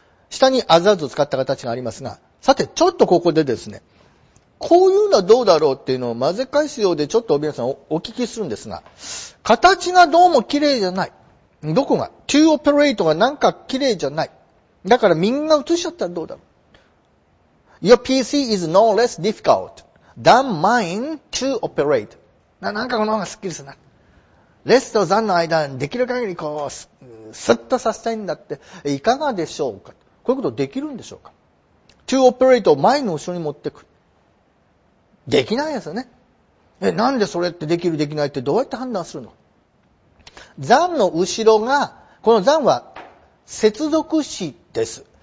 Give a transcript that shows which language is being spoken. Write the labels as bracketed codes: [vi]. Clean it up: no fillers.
[ja] 下にアザーズを使った形がありますが、さて、ちょっとここでですね、こういうのはどうだろうっていうのを混ぜ返すようでちょっと皆さん お聞きするんですが、形がどうも綺麗じゃない。どこが ? [en] to operate [ja] がなんか綺麗じゃない。だからみんな映しちゃったらどうだろう。 [en] Your PC is no less difficult than mine to operate. [ja] なんかこの方がスッキリするな。レスと than の間にできる限りこう、スッとさせたいんだって、いかがでしょうか。こういうことできるんでしょうか。 [en] to operate [ja] を前の後ろに持ってくる。できないですよね。なんでそれってできるできないってどうやって判断するの。than の後ろが、この than は接続詞です。